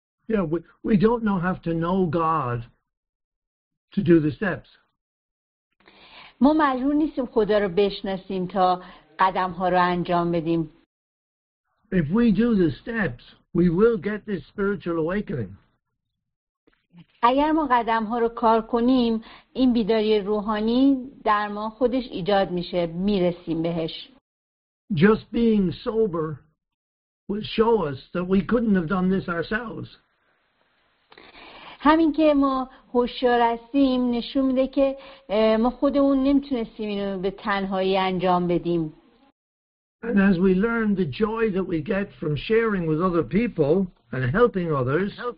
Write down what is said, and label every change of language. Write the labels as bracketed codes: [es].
[en] Yeah, we don't know have to know God to do the steps. [fa] ما مجبور نیستیم خدا رو بشناسیم تا قدم ها رو انجام بدیم. [en] If we do the steps, we will get this spiritual awakening. [fa] اگر ما قدم ها رو کار کنیم، این بیداری روحانی در ما خودش ایجاد میشه، میرسیم بهش. [en] Just being sober will show us that we couldn't have done this ourselves. [fa] همین که ما هوشیار هستیم نشون میده که ما خودمون نمیتونستیم اینو به تنهایی انجام بدیم. [en] And as we learn the joy that we get from sharing with other people and helping others.